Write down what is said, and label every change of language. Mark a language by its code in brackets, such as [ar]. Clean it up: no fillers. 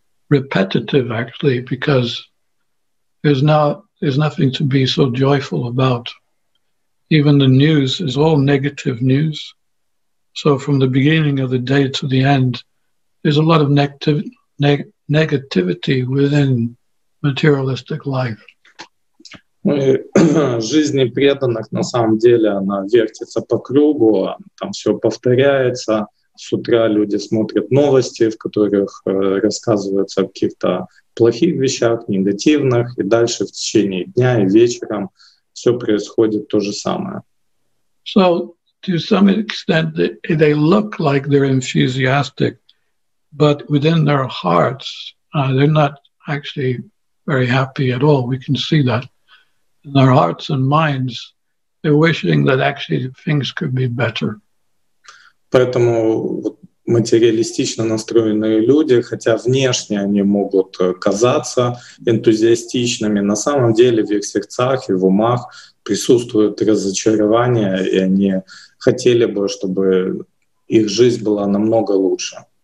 [en] repetitive, actually, because there's nothing to be so joyful about. Even the news is all negative news. So from the beginning of the day to the end, there's a lot of negativity within materialistic life. [ru] Жизнь преданных на самом деле она вертится по кругу, там все повторяется. С утра люди смотрят новости, в которых рассказывается о каких-то плохих вещах, негативных, и дальше в течение дня и вечером все происходит то же самое. [en] So to some extent they look like they're enthusiastic, but within their hearts they're not actually very happy at all. We can see that. In their hearts and minds, they're wishing that actually things could be better. [ru] Поэтому материалистично настроенные люди, хотя внешне они могут казаться энтузиастичными, на самом деле в их сердцах и в умах присутствует разочарование, и они хотели бы, чтобы их жизнь была намного лучше.